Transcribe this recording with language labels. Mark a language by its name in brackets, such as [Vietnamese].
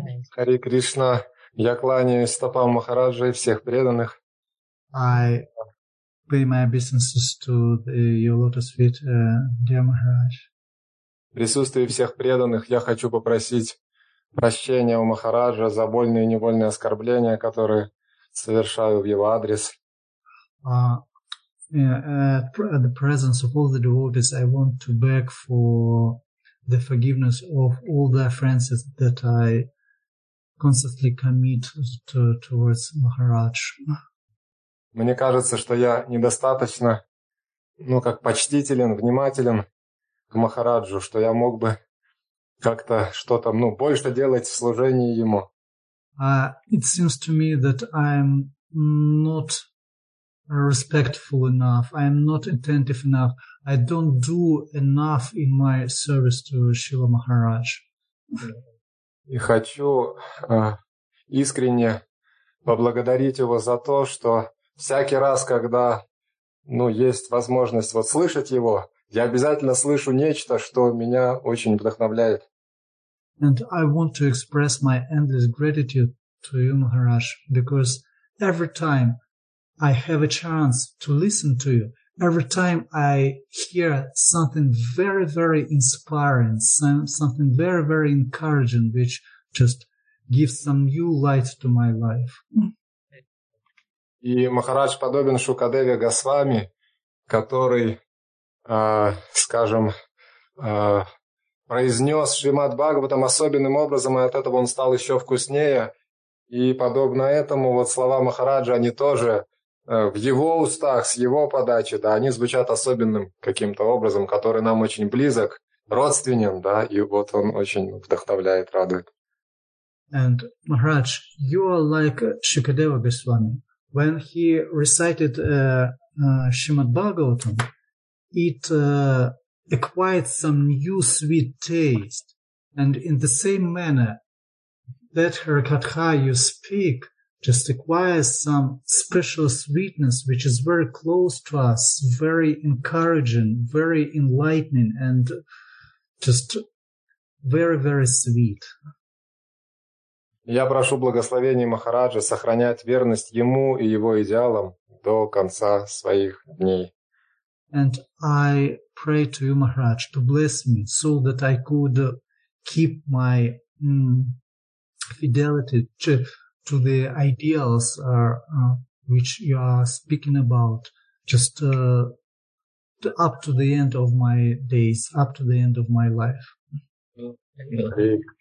[Russian] Хари Кришна, я кланяюсь стопам Махараджа и всех преданных. [English] I pay my obeisances to your lotus feet, dear Maharaj. [Russian] В присутствии всех преданных я хочу попросить прощения у Махараджа за больные и невольные оскорбления, которые совершаю в его адрес. [English] At the presence of all the devotees, I want to beg for the forgiveness of all the offenses that I constantly commit towards Maharaj. [Russian] Мне кажется, что я недостаточно, ну, как почтителен, внимателен к Махараджу, что я мог бы как-то что-то, ну, больше делать в служении ему. [English] It seems to me that I'm not respectful enough. I am not attentive enough. I don't do enough in my service to Srila Maharaj. [Russian] И хочу искренне поблагодарить его за то, что всякий раз, когда, ну, есть возможность вот слышать его, я обязательно слышу нечто, что меня очень вдохновляет. [English] And I want to express my endless gratitude to you, Maharaj, because every time I have a chance to listen to you, every time I hear something very, very inspiring, something very, very encouraging, which just gives some new light to my life. [Russian] И Махарадж подобен Шукадеве Госвами, который, скажем, произнес Шримад Бхагаватам особенным образом, и от этого он стал еще вкуснее. И подобно этому вот слова Махараджа, они тоже в его устах, с его подачи, да, они звучат особенным каким-то образом, который нам очень близок, родственен, да, и вот он очень вдохновляет, радует. [English] And Maharaj, you are like Shukadeva Goswami. When he recited Srimad Bhagavatam, it acquired some new sweet taste. And in the same manner, that Harikatha you speak just acquires some special sweetness, which is very close to us, very encouraging, very enlightening, and just very, very sweet. [Russian] Я прошу благословения Махараджа сохранять верность ему и его идеалам до конца своих дней. [English] And I pray to you, Maharaj, to bless me so that I could keep my fidelity to the ideals which you are speaking about just up to the end of my days, up to the end of my life.